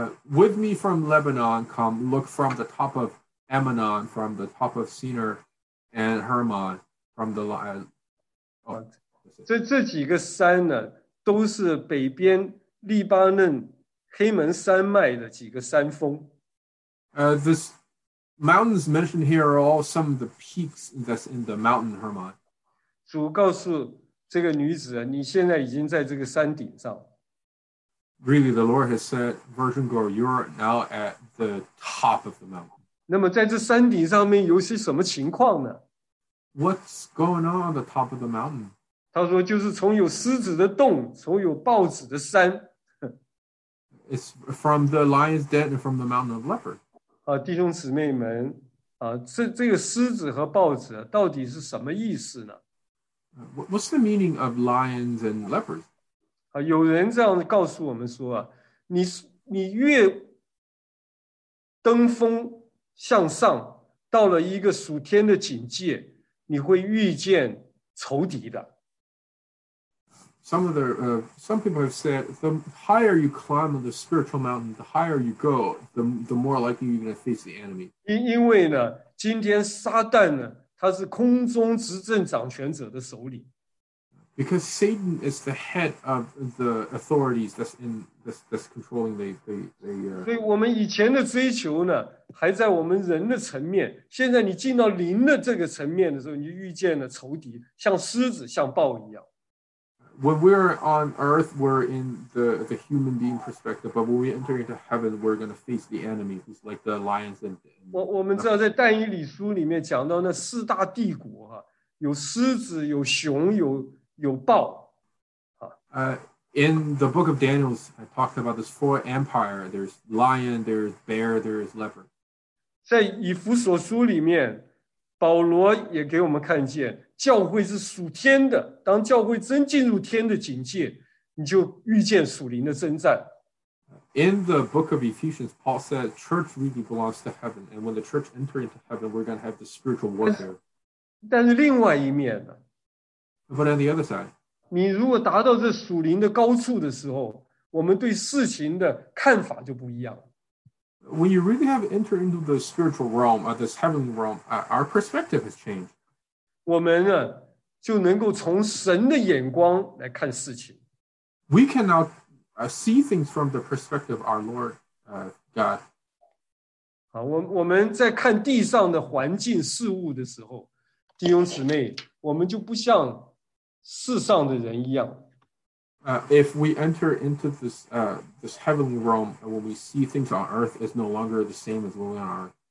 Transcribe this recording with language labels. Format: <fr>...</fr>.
<en>With me from Lebanon, come look from the top of Ammonon, from the top of Sinir and Hermon, from the line.</en> <zh>这几个山呢，都是北边黎巴嫩黑门山脉的几个山峰。</zh> <en>This mountains mentioned here are all some of the peaks that's in the mountain Hermon.</en> <zh>主告诉这个女子，你现在已经在这个山顶上。</zh> <en>Really, the Lord has said, Virgin Girl, you are now at the top of the mountain.</en> <zh>那么在这山顶上面有些什么情况呢？</zh> <en>What's going on the top of the mountain?</en> <zh>他说就是从有狮子的洞，从有豹子的山。</zh> <en>It's from the lion's den and from the mountain of leopard.</en> <zh>弟兄姊妹们，这个狮子和豹子到底是什么意思呢？</zh> <en>What's the meaning of lions and leopards?</en> <zh>有人这样告诉我们说你越登峰向上，到了一个属天的境界，你会遇见仇敌的。</zh> <en>Some people have said the higher you climb on the spiritual mountain, the higher you go, the more likely you're going to face the enemy.</en> <zh>因为呢，今天撒旦呢，他是空中执政掌权者的首领。</zh> <en>Because Satan is the head of the authorities that's controlling</en> <zh>所以我们以前的追求呢，还在我们人的层面。现在你进到灵的这个层面的时候，你就遇见了仇敌，像狮子、像豹一样。</zh> <en>When we're on earth, we're in the human being perspective, but when we enter into heaven, we're going to face the enemy, who's like the lions and.</en> <zh>我们知道在但以理书里面讲到那四大帝国哈，有狮子，有熊，有豹。</zh> <en>In the book of Daniel, I talked about this four empire. There's lion, there's bear, there's leopard.</en> <zh>在以弗所书里面，保罗也给我们看见，教会是属天的。当教会真进入天的境界，你就遇见属灵的征战。</zh> <en>In the book of Ephesians, Paul said, "Church really belongs to heaven, and when the church enters into heaven, we're going to have the spiritual warfare."</en> <zh>但是另外一面呢？</zh> <en>But on the other side,</en> <zh>你如果达到这属灵的高处的时候，我们对事情的看法就不一样。</zh> <en>When you really have entered into the spiritual realm, or this heavenly realm, our perspective has changed.</en> <zh>我们呢，就能够从神的眼光来看事情。</zh> <en>We can now see things from the perspective of our Lord, God.</en> <zh>我们在看地上的环境事物的时候，弟兄姊妹，我们就不像世上的人一样。</zh> <en>If we enter into this, this heavenly realm, when we see things on earth, it's no longer the same as when we are.</en>